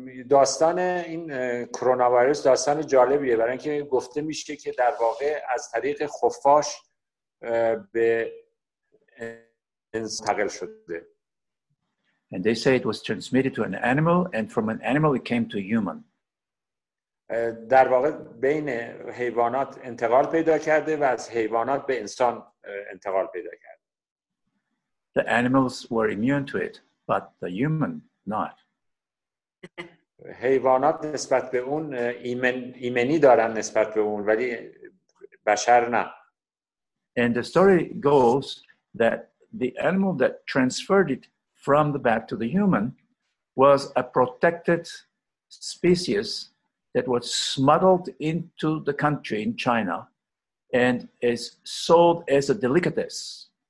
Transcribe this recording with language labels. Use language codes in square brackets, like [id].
[fa] داستان این کرونا ویروس داستان جالبیه، برای اینکه گفته میشه که در واقع از طریق خفاش به انسان منتقل شده. [en] And they say it was transmitted to an animal and from an animal it came to human. [fa] در واقع بین حیوانات انتقال پیدا کرده و از حیوانات به انسان انتقال پیدا کرده. [en] The animals were immune to it but the human not. [fa] حیوانات نسبت به اون ایمنی دارن نسبت به اون، ولی بشر نه. [en] And the story goes that the animal that transferred it from the bat to the human was a protected species that was smuggled into the country in China and is sold as a delicatessen.